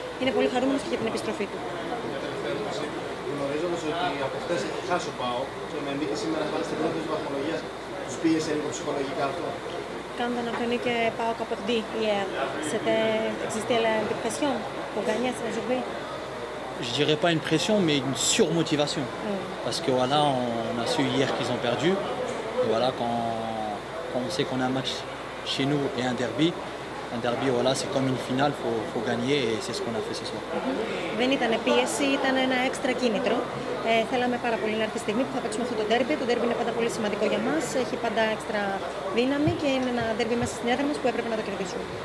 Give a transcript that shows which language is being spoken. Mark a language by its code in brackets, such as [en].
[el] Είναι πολύ χαρούμενος και για την επιστροφή του. Γνωρίζοντας ότι από χτες έχει χάσει ο ΠΑΟ και με νίκη σήμερα πάλι στην πρώτη της βαθμολογίας, τους πίεσε λίγο ψυχολογικά αυτό. [fr] Quand on a connu que Pau a perdu hier, existait la pression pour gagner cette journée? Je dirais pas une pression, mais une surmotivation. Mm. Parce que voilà, on a su hier qu'ils ont perdu. Et voilà, quand on sait qu'on a un match chez nous et un derby, voilà, c'est comme une finale, il faut gagner et c'est ce qu'on a fait ce soir. [el] Δεν ήταν πίεση, ήταν ένα έξτρα κίνητρο. Θέλαμε πάρα πολύ να έρθει η στιγμή που θα παίξουμε αυτό το ντέρμπι. Το ντέρμπι είναι πάντα πολύ σημαντικό για μας, έχει πάντα έξτρα δύναμη και είναι ένα ντέρμπι μέσα στην έδρα μας που έπρεπε να το κερδίσουμε.